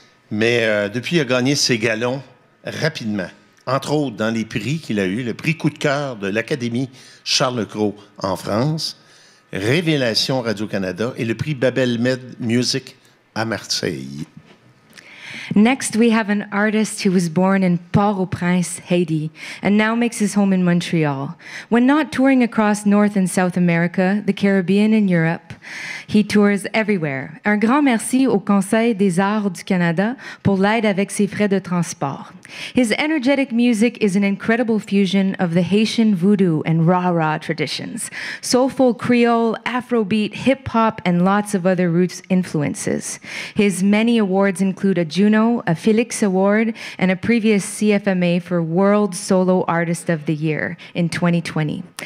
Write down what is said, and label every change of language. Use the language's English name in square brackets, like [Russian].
[French] Mais depuis, il a gagné ses galons rapidement, entre autres dans les prix qu'il a eus, le prix coup de cœur de l'Académie Charles Cros en France, Révélation Radio-Canada et le prix Babel Med Music à Marseille. [English] Next, we have an artist who was born in Port-au-Prince, Haiti, and now makes his home in Montreal. When not touring across North and South America, the Caribbean and Europe, he tours everywhere. [French] Un grand merci au Conseil des Arts du Canada pour l'aide avec ses frais de transport. [English] His energetic music is an incredible fusion of the Haitian voodoo and rah-rah traditions, soulful Creole, Afrobeat, hip-hop, and lots of other roots influences. His many awards include a Juno, a Felix Award, and a previous CFMA for World Solo Artist of the Year in 2020.